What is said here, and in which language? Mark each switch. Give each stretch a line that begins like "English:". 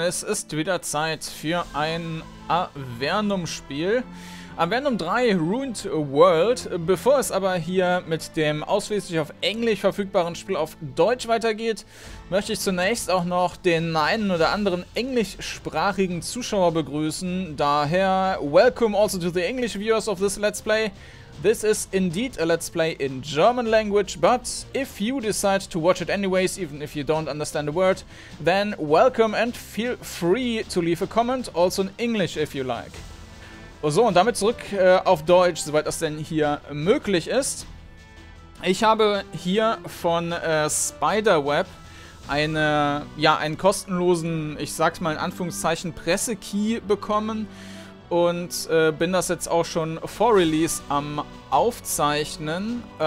German: Es ist wieder Zeit für ein Avernum-Spiel. Avernum 3 Ruined World. Bevor es aber hier mit dem ausschließlich auf Englisch verfügbaren Spiel auf Deutsch weitergeht, möchte ich zunächst auch noch den einen oder anderen englischsprachigen Zuschauer begrüßen.
English: Daher, welcome also to the English viewers of this Let's Play. This is indeed a Let's Play in German language, but if you decide to watch it anyways, even if you don't understand a word, then welcome and feel free to leave a comment, also in English if you like.
German: So, und damit zurück auf Deutsch, soweit das denn hier möglich ist. Ich habe hier von Spiderweb einen kostenlosen, ich sag's mal in Anführungszeichen, Presse-Key bekommen und bin das jetzt auch schon vor Release am Aufzeichnen.